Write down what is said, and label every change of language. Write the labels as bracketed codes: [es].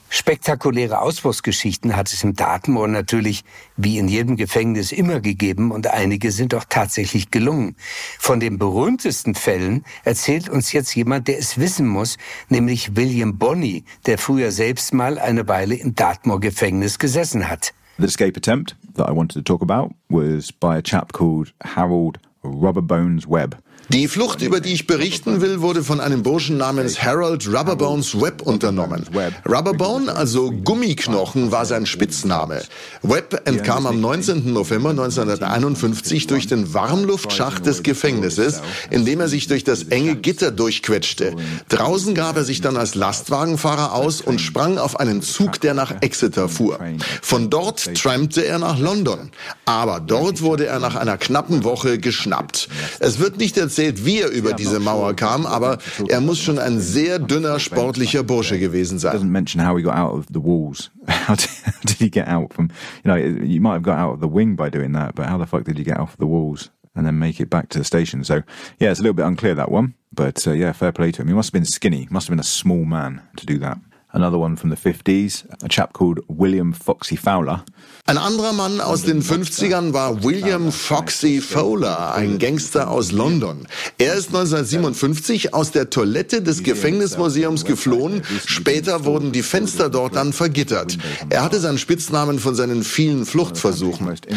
[de] Spektakuläre Ausbruchsgeschichten hat es im Dartmoor natürlich wie in jedem Gefängnis immer gegeben und einige sind auch tatsächlich gelungen. Von den berühmtesten Fällen erzählt uns jetzt jemand, der es wissen muss, nämlich William Bonney, der früher selbst mal eine Weile im Dartmoor-Gefängnis gesessen hat. [en] The escape attempt that I wanted to talk about was by a chap called Harold Rubberbones Webb. [de] Die Flucht, über die ich berichten will, wurde von einem Burschen namens Harold Rubberbones Webb unternommen. Rubberbone, also Gummiknochen, war sein Spitzname. Webb entkam am 19. November 1951 durch den Warmluftschacht des Gefängnisses, indem er sich durch das enge Gitter durchquetschte. Draußen gab er sich dann als Lastwagenfahrer aus und sprang auf einen Zug, der nach Exeter fuhr. Von dort trampte er nach London. Aber dort wurde er nach einer knappen Woche geschnappt. Es wird nicht der erzählt, wie er über diese Mauer kam, aber er muss schon ein sehr dünner, sportlicher Bursche gewesen sein. [en] Doesn't mention how he got out of the walls. How did he get out from, you know, you might have got out of the wing by doing that, but how the fuck did he get off the walls and then make it back to the station? So, yeah, it's a little bit unclear that one, but yeah, fair play to him. He must have been skinny, must have been a small man to do that. Another one from the 50s, a chap called William Foxy Fowler. [de] Ein anderer Mann aus den 50ern war William Foxy Fowler, ein Gangster aus London. Er ist 1957 aus der Toilette des Gefängnismuseums geflohen. Später wurden die Fenster dort dann vergittert. Er hatte seinen Spitznamen von seinen vielen Fluchtversuchen.